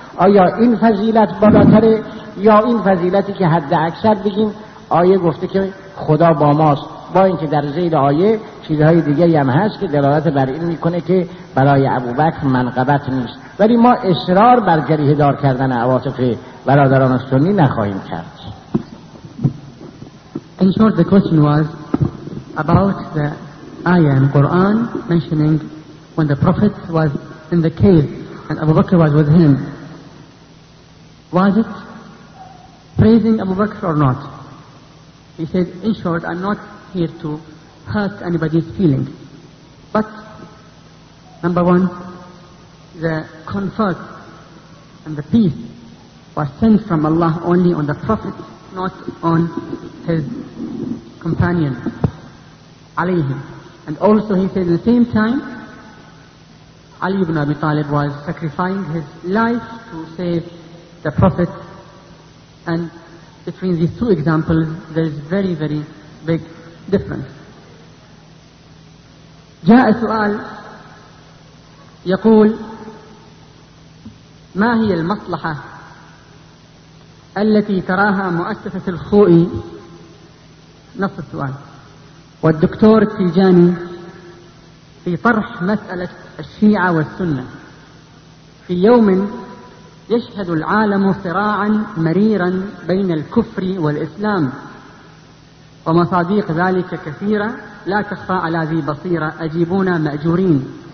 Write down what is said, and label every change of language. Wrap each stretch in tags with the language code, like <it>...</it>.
<fa>آیا این فضیلت بالاتره یا این فضیلتی که حد اکثر بگیم آیه گفته که خدا با ماست، با اینکه در زیر آیه چیزهای دیگری هم هست که دلالت بر این میکنه که برای ابوبکر منقبت نیست، ولی ما اصرار بر جریح دار کردن عواطف برادران سنی نخواهیم کرد.</fa> <en>In short, the question was about the ayah in Quran mentioning when the Prophet was in the cave and Abu Bakr was with him. Was it praising Abu Bakr or not? He said, in short, I'm not here to hurt anybody's feeling. But, number one, the comfort and the peace was sent from Allah only on the Prophet, not on his companion, alayhi. And also he said at the same time, Ali ibn Abi Talib was sacrificing his life to save the Prophet. And between these two examples, there is very, very big difference.</en> <ar>جاء سؤال يقول ما هي المصلحة التي تراها مؤسسة الخوئي؟ نفس السؤال. والدكتور التلجاني في طرح مسألة الشيعة والسنة في يوم يشهد العالم صراعا مريرا بين الكفر والإسلام ومصادق ذلك كثيرة لا تخفى على ذي بصيرة أجيبونا مأجورين.</ar>